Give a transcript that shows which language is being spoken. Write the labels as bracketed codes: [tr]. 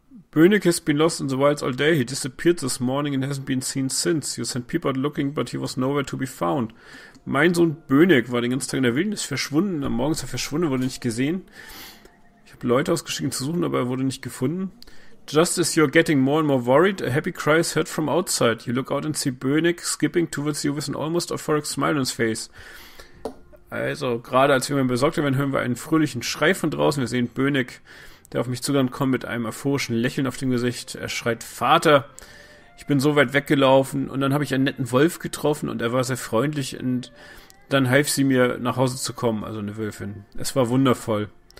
[en] Bönig has been lost in the wilds all day. He disappeared this morning and hasn't been seen since. You sent people out looking, but he was nowhere to be found. [de] Mein Sohn Bönig war den ganzen Tag in der Wildnis verschwunden. Am Morgen ist er verschwunden, wurde nicht gesehen. Ich habe Leute ausgeschickt, zu suchen, aber er wurde nicht gefunden. [en] Just as you're getting more and more worried, a happy cry is heard from outside. You look out and see Bönig skipping towards you with an almost euphoric smile on his face. [de] Also, gerade als wir besorgt werden, hören wir einen fröhlichen Schrei von draußen. Wir sehen Bönig, der auf mich zugerannt kommt mit einem euphorischen Lächeln auf dem Gesicht. Er schreit, Vater, ich bin so weit weggelaufen. Und dann habe ich einen netten Wolf getroffen und er war sehr freundlich. Und dann half sie mir, nach Hause zu kommen, also eine Wölfin. Es war wundervoll.